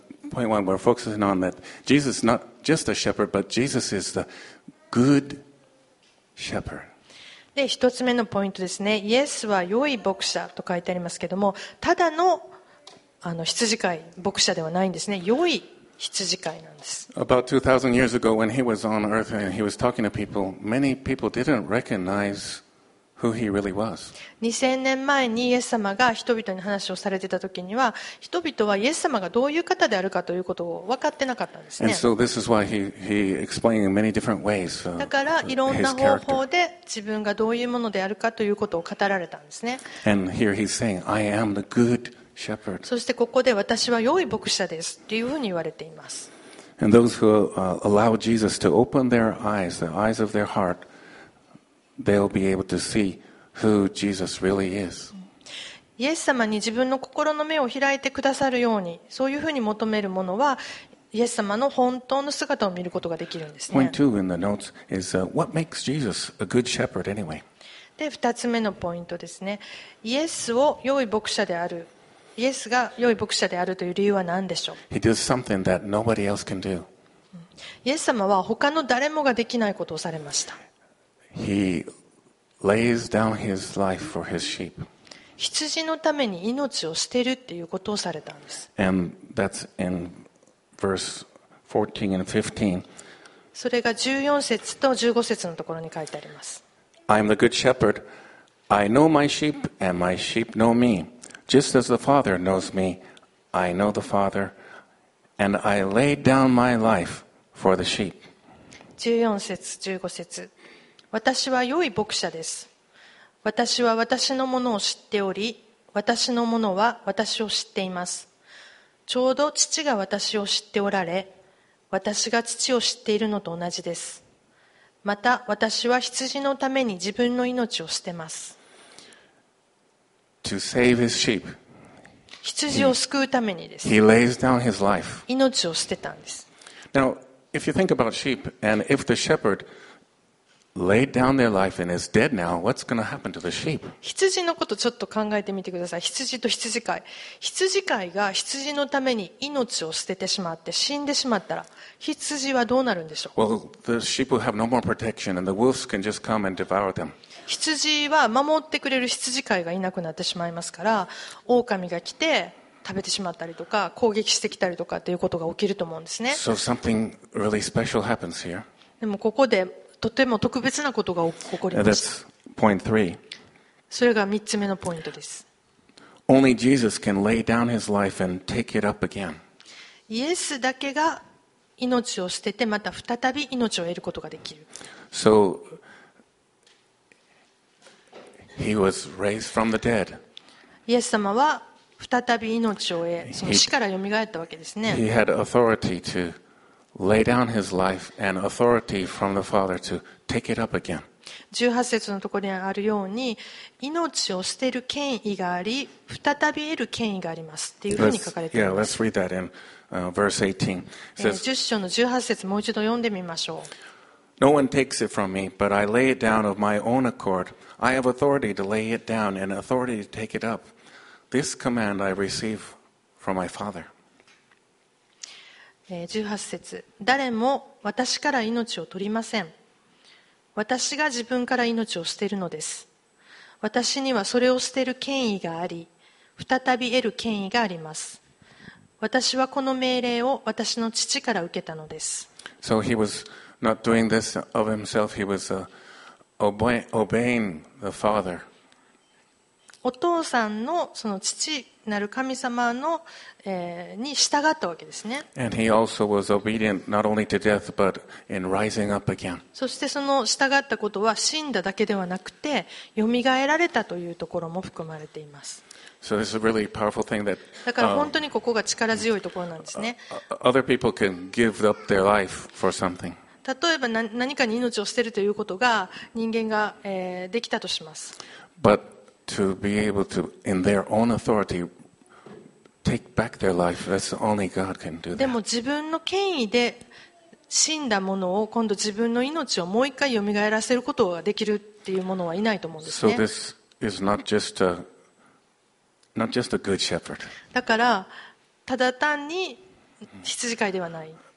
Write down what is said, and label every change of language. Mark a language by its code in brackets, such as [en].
[en] Point one, we're focusing on that Jesus is not just a shepherd, but Jesus is the good shepherd. [ja] で、一つ目のポイントですね。イエスは良い牧者と書いてありますけれども、ただの、羊飼い、牧者ではないんですね。良い羊飼いなんです。 [en] About 2,000 years ago, when he was on earth and he was talking to people, many people didn't recognize who he really was. [ja] 2000年前にイエス様が人々に話をされてた時には、人々はイエス様がどういう方であるかということを分かってなかったんですね。 [en] And so this is why he explained in many different ways. [ja] だからいろんな方法で自分がどういうものであるかということを語られたんですね。 [en] And here he's saying, I am the good shepherd. [ja] そしてここで私は良い牧者ですというふうに言われています。 [en] And those who allow Jesus to open their eyes, the eyes of their heart. They'll be able to see who Jesus really is. [ja] イエス様に自分の心の目を開いてくださるように、そういうふうに求めるものは、イエス様の本当の姿を見ることができるんですね。 [en] Point two in the notes is what makes Jesus a good shepherd anyway. [ja] で、二つ目のポイントですね。イエスを良い牧者である、イエスが良い牧者であるという理由は何でしょう。 [en] He does something that nobody else can do. [ja] イエス様は他の誰もができないことをされました。 [en] He lays down his life for his sheep. [ja] 羊のために命を捨てるっていうことをされたんです。 [en] And that's in verse 14 and 15. [ja] それが14節と15節のところに書いてあります。 [en] I am the good shepherd. I know my sheep, and my sheep know me. Just as the Father knows me, I know the Father. And I lay down my life for the sheep. [ja] 14節、15節。私は良い牧者です。私は私のものを知っており、私のものは私を知っています。ちょうど父が私を知っておられ、私が父を知っているのと同じです。また私は羊のために自分の命を捨てます。 [en] To save his sheep. [ja] 羊を救うためにです。 [en] He lays down his life. [ja] 命を捨てたんです。 [en] Now, if you think about sheep, and if the shepherd laid down their life and is dead now, what's going to happen to the sheep? [ja] 羊のことちょっと考えてみてください。羊と羊飼い。羊飼いが羊のために命を捨ててしまって死んでしまったら、羊はどうなるんでしょう。 [en] Well, the sheep will have no more protection, and the wolves can just come and devour them. [ja] 羊は守ってくれる羊飼いがいなくなってしまいますから、狼が来て食べてしまったりとか攻撃してきたりとかっていうことが起きると思うんですね。 [en] So something really special happens here. [ja] でもここでとても特別なことが起こりました。 [en] And that's point three. [ja] それが3つ目のポイントです。 [en] Only Jesus can lay down his life and take it up again. [ja] イエスだけが命を捨ててまた再び命を得ることができる。 [en] So, he was raised from the dead. [ja] イエス様は再び命を得、その死から蘇ったわけですね。 [en] He had authority to lay down his life and authority from the Father to take it up again. [ja] 18節のところにあるように、命を捨てる権威があり、再び得る権威がありますっていうふうに書かれています。 [en] Let's read that in verse 18. [ja] 10章の18節もう一度読んでみましょう。 [en] No one takes it from me, but I lay it down of my own accord. I have authority to lay it down and authority to take it up. This command I receive from my father. [ja] 18節、誰も私から命を取りません。私が自分から命を捨てるのです。私にはそれを捨てる権威があり、再び得る権威があります。私はこの命令を私の父から受けたのです。 [en] So he was not doing this of himself. He was obeying the father. [ja] お父さんのその父なる神様の、に従ったわけですね。 [en] And he also was obedient not only to death but in rising up again. [ja] そしてその従ったことは死んだだけではなくて蘇られたというところも含まれています。 [en] So this is a really powerful thing that, [ja] だから本当にここが力強いところなんですね。 [en] Other people can give up their life for something. [ja] 例えば何かに命を捨てるということが人間が、できたとします。 [en] ButTo be able to, in their own authority, take back their life. That's only God can do that. [ja] でも自分の権威で死んだものを今度自分の命をもう一回蘇らせることができるっていうものはいないと思うんですね。 [en] So this is not just a good shepherd. [ja] だからただ単に羊飼いではない。